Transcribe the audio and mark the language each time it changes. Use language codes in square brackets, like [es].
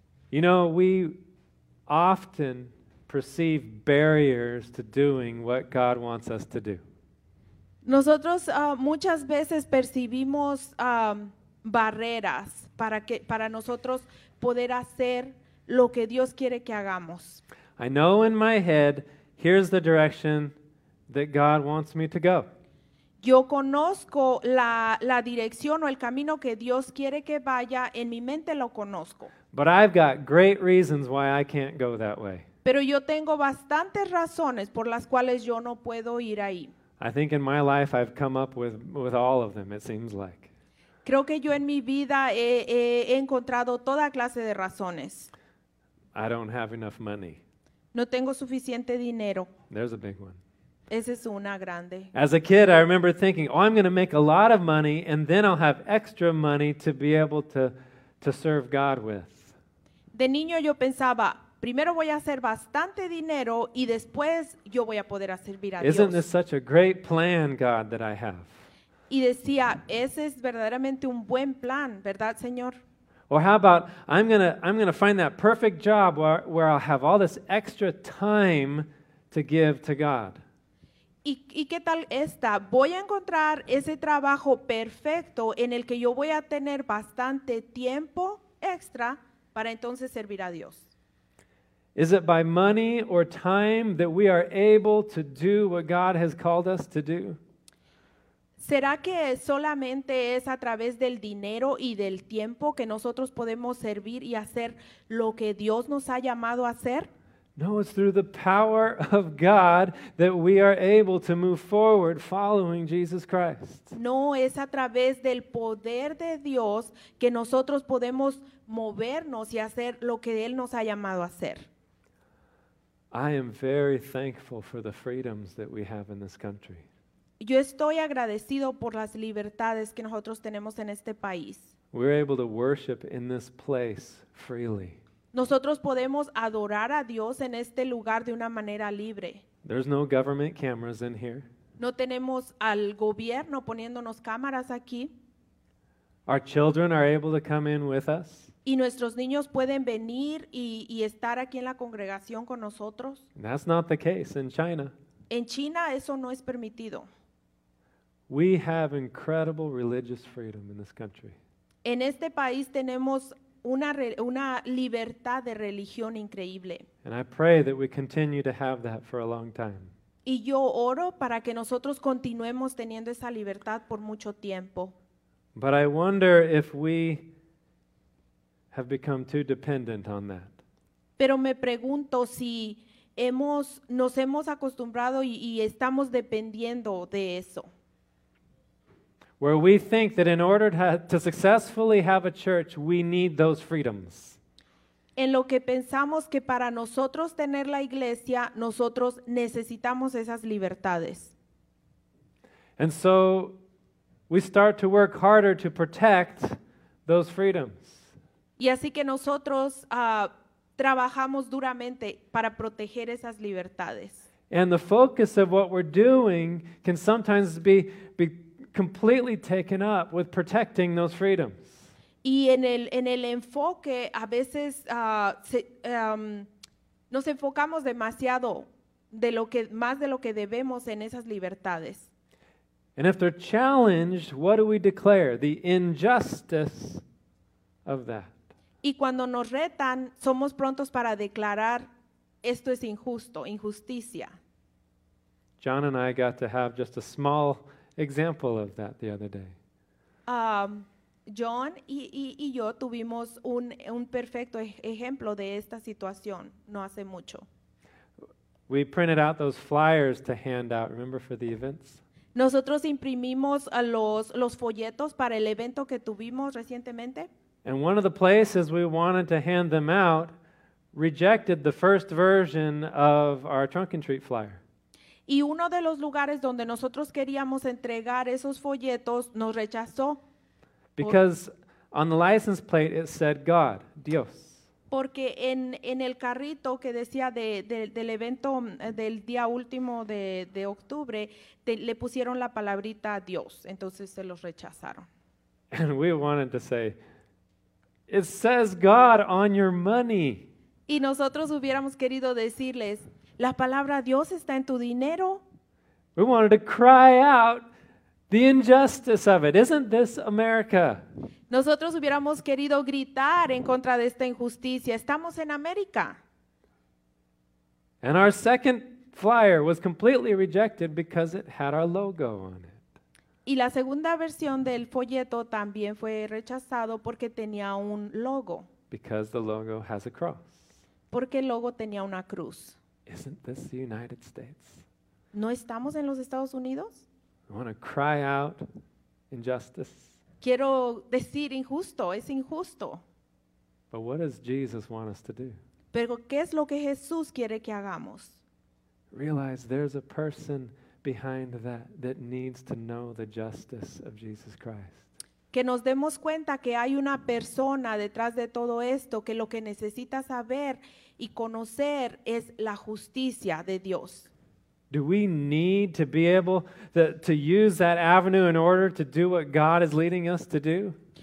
[en] You know, we often perceive barriers to doing what God wants us to do. [es] Nosotros muchas veces percibimos barreras para nosotros poder hacer lo que Dios quiere que hagamos. [en] I know in my head, here's the direction that God wants me to go. [es] Yo conozco la dirección o el camino que Dios quiere que vaya, en mi mente lo conozco. [en] But I've got great reasons why I can't go that way. [es] Pero yo tengo bastantes razones por las cuales yo no puedo ir ahí. [en] I think in my life I've come up with all of them, it seems like. [es] Creo que yo en mi vida he encontrado toda clase de razones. [en] I don't have enough money. [es] No tengo suficiente dinero. [en] There's a big one. [es] Esa es una grande. [en] As a kid, I remember thinking, oh, I'm going to make a lot of money and then I'll have extra money to be able to serve God with. [es] De niño yo pensaba, primero voy a hacer bastante dinero y después yo voy a poder servir a Dios. [en] Isn't this such a great plan, God, that I have? [es] Y decía, ese es verdaderamente un buen plan, ¿verdad, Señor? [en] Or how about, I'm gonna find that perfect job where I'll have all this extra time to give to God. [es] ¿Y qué tal esta? Voy a encontrar ese trabajo perfecto en el que yo voy a tener bastante tiempo extra para entonces servir a Dios. [en] Is it by money or time that we are able to do what God has called us to do? [es] ¿Será que solamente es a través del dinero y del tiempo que nosotros podemos servir y hacer lo que Dios nos ha llamado a hacer? [en] No, it's through the power of God that we are able to move forward following Jesus Christ. [es] No, es a través del poder de Dios que nosotros podemos movernos y hacer lo que Él nos ha llamado a hacer. [en] I am very thankful for the freedoms that we have in this country. [es] Yo estoy agradecido por las libertades que nosotros tenemos en este país. [en] We're able to worship in this place freely. [es] Nosotros podemos adorar a Dios en este lugar de una manera libre. [en] There's no government cameras in here. [es] No tenemos al gobierno poniéndonos cámaras aquí. [en] Our children are able to come in with us. [es] Y nuestros niños pueden venir y estar aquí en la congregación con nosotros. [en] That's not the case in China. [es] En China eso no es permitido. [en] We have incredible religious freedom in this country. [es] En este país tenemos una libertad de religión increíble. [en] And I pray that we continue to have that for a long time. [es] Y yo oro para que nosotros continuemos teniendo esa libertad por mucho tiempo. [en] But I wonder if we have become too dependent on that. [es] Pero me pregunto si nos hemos acostumbrado y estamos dependiendo de eso. [en] Where we think that in order to successfully have a church, we need those freedoms. [es] En lo que pensamos que para nosotros tener la iglesia, nosotros necesitamos esas libertades. [en] And so we start to work harder to protect those freedoms. [es] Y así que nosotros trabajamos duramente para proteger esas libertades. [en] And the focus of what we're doing can sometimes be completely taken up with protecting those freedoms. [es] Y en el enfoque a veces nos enfocamos demasiado de lo que debemos en esas libertades. [en] And if they're challenged, what do we declare? The injustice of that. [es] Y cuando nos retan, somos prontos para declarar esto es injusto, injusticia. [en] John and I got to have just a small example of that the other day. [es] John y yo tuvimos un perfecto ejemplo de esta situación no hace mucho. [en] We printed out those flyers to hand out, remember, for the events? [es] Nosotros imprimimos los folletos para el evento que tuvimos recientemente. [en] And one of the places we wanted to hand them out rejected the first version of our trunk and treat flyer. [es] Y uno de los lugares donde nosotros queríamos entregar esos folletos nos rechazó. [en] Because on the license plate it said God, Dios. [es] Porque en el carrito que decía del evento del día último de octubre, le pusieron la palabrita Dios. Entonces se los rechazaron. [en] And we wanted to say, it says God on your money. [es] Y nosotros hubiéramos querido decirles, la palabra Dios está en tu dinero. [en] We wanted to cry out the injustice of it. Isn't this America? [es] Nosotros hubiéramos querido gritar en contra de esta injusticia. Estamos en América. [en] And our second flyer was completely rejected because it had our logo on it. [es] Y la segunda versión del folleto también fue rechazado porque tenía un logo. [en] Because the logo has a cross. [es] Porque el logo tenía una cruz. [en] Isn't this the United States? [es] ¿No estamos en los Estados Unidos? [en] I want to cry out injustice. [es] Quiero decir injusto, es injusto. [en] But what does Jesus want us to do? [es] Pero ¿qué es lo que Jesús quiere que hagamos? [en] Realize there's a person behind that needs to know the justice of Jesus Christ. [es] Que nos demos cuenta que hay una persona detrás de todo esto, que lo que necesita saber y conocer es la justicia de Dios. [en] Do we need to be able to use that avenue in order to do what God is leading us to do?